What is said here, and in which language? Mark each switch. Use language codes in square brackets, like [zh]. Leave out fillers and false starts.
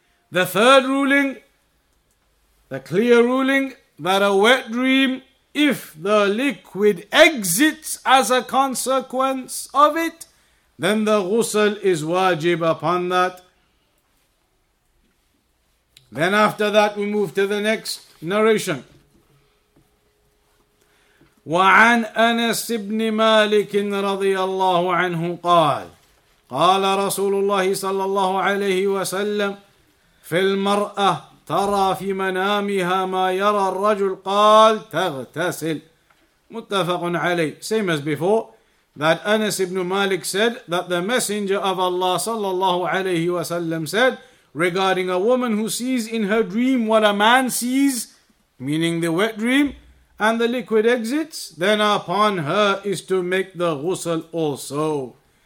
[en] The third ruling, the clear ruling, that a wet dream, if the liquid exits as a consequence of it, then the ghusl is wajib upon that. Then after that, we move to the next narration. [ar] وعن أنس بن مالك رضي الله عنه قال قال رسول الله صلى الله عليه وسلم في المرأة ترى في منامها ما يرى الرجل قال تغتسل. متفق عليه. [en] Same as before, that Anas ibn Malik said that the Messenger of Allah [ar] صلى الله عليه وسلم [en] said regarding a woman who sees in her dream what a man sees, meaning the wet dream, and the liquid exits, then upon her is to make the ghusl also.